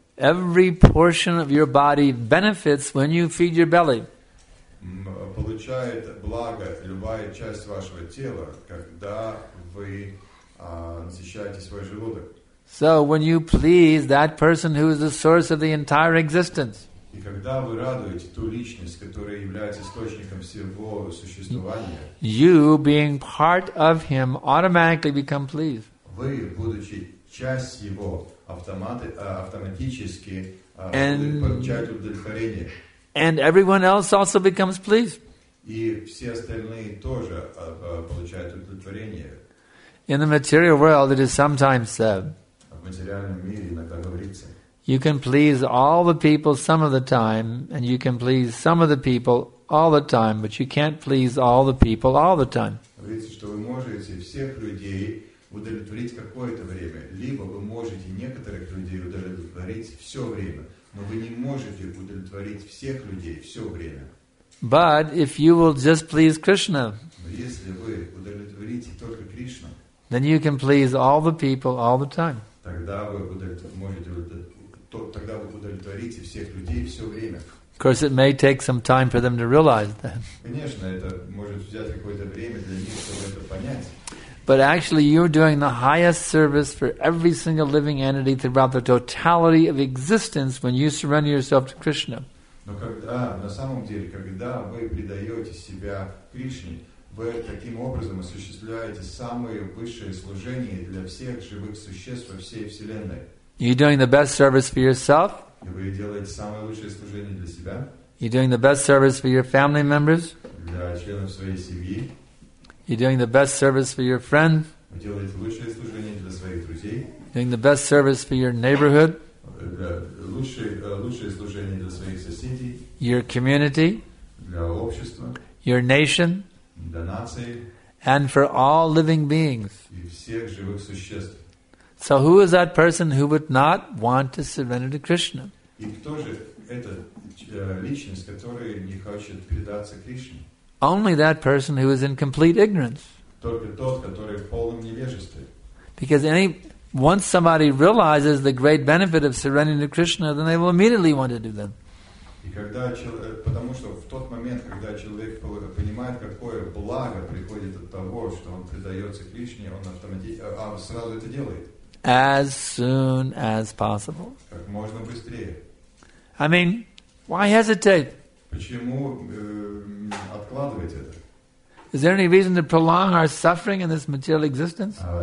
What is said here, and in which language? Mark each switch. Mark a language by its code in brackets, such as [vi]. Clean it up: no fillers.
[en] Every portion of your body benefits when you feed your belly. [ru] Получает благо любая часть вашего тела, когда вы насыщаете свой желудок. [en] So when you please that person who is the source of the entire existence. [ru] И когда вы радуете ту личность, которая является источником всего существования, [en] you, being part of him, automatically become pleased. [ru] Вы, будучи часть его, автоматически получаете удовлетворение. [en] And everyone else also becomes pleased. [ru] И все остальные тоже получают удовлетворение. [en] In the material world, it is sometimes said, [ru] в материальном мире иногда говорится, [en] you can please all the people some of the time, and you can please some of the people all the time, but you can't please all the people all the time. [ru] Говорится, что вы можете всех людей удовлетворить какое-то время, либо вы можете некоторых людей удовлетворить все время, но вы не можете удовлетворить всех людей все время. [en] But if you will just please Krishna, [ru] но если вы удовлетворите только Кришну, [en] then you can please all the people all the time. [ru] Тогда вы можете удовлетворить. Тогда вы удовлетворите всех людей все время. [en] Of course, it may take some time for them to realize that. [ru] Конечно, это может взять какое-то время для них, чтобы это понять. [en] But actually, you're doing the highest service for every single living entity throughout the totality of existence when you surrender yourself to Krishna. [ru] Но когда, на самом деле, когда вы предаете себя Кришне, вы таким образом осуществляете самое высшее служение для всех живых существ во всей Вселенной. [en] You're doing the best service for yourself. [ru] Вы делаете самое лучшее служение для себя. [en] You're doing the best service for your family members. [ru] Для членов своей семьи. [en] You're doing the best service for your friend. [ru] Вы делаете лучшее служение для своих друзей. [en] Doing the best service for your neighborhood. [ru] Лучшее служение для своих соседей. [en] Your community. [ru] Для общества. [en] Your nation. [ru] Для нации. [en] And for all living beings. [ru] И всех живых существ. [en] So who is that person who would not want to surrender to Krishna? [ru] И кто же эта личность, которая не хочет предаться Кришне? [en] Only that person who is in complete ignorance. [ru] Только тот, который в полном невежестве. [en] Because once somebody realizes the great benefit of surrendering to Krishna, then they will immediately want to do that. [ru] И когда потому что в тот момент, когда человек понимает, какое благо приходит от того, что он предается Кришне, он сразу это делает. [en] As soon as possible. [ru] Как можно быстрее. [en] I mean, why hesitate? [ru] Почему откладывать это? [en] Is there any reason to prolong our suffering in this material existence?